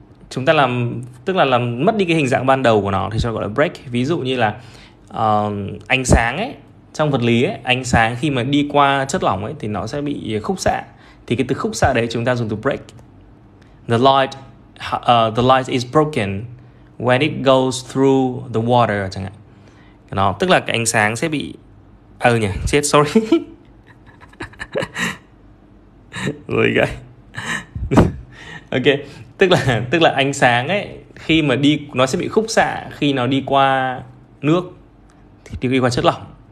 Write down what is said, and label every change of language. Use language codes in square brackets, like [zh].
[vi] Chúng ta làm, tức là làm mất đi cái hình dạng ban đầu của nó thì chúng ta gọi là break. Ví dụ như là ánh sáng ấy, trong vật lý ấy, ánh sáng khi mà đi qua chất lỏng ấy thì nó sẽ bị khúc xạ. Thì cái từ khúc xạ đấy chúng ta dùng từ break. [en] The light is broken when it goes through the water [vi] chẳng hạn. Nó tức là cái ánh sáng sẽ bị Ok, tức là ánh sáng ấy khi mà đi nó sẽ bị khúc xạ khi nó đi qua nước, thì đi qua chất lỏng.